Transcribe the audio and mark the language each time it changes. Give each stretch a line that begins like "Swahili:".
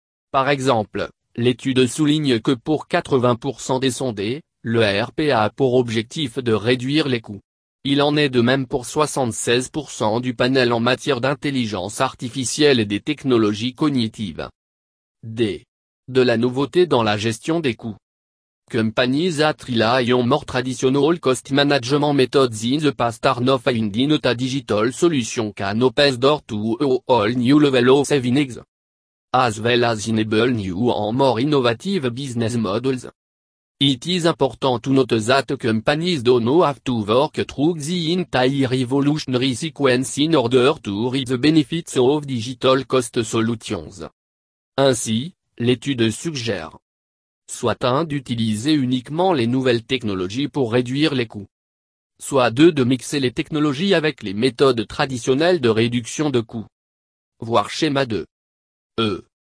French: Par exemple, l'étude souligne que pour 80% des sondés, le ERP a pour objectif de réduire les coûts. Il en est de même pour 76% du panel en matière d'intelligence artificielle et des technologies cognitives. D. De la nouveauté dans la gestion des coûts.
English: Companies that rely on more traditional cost management methods in the past are now finding a digital solution can open door to a whole new level of savings. As well as enable new and more innovative business models. It is important to note that companies don't know have to work through the entire evolutionary sequence in order to reap the benefits of digital cost solutions.
French: Ainsi, l'étude suggère soit 1 d'utiliser uniquement les nouvelles technologies pour réduire les coûts. Soit 2 de mixer les technologies avec les méthodes traditionnelles de réduction de coûts. Voir schéma 2. E.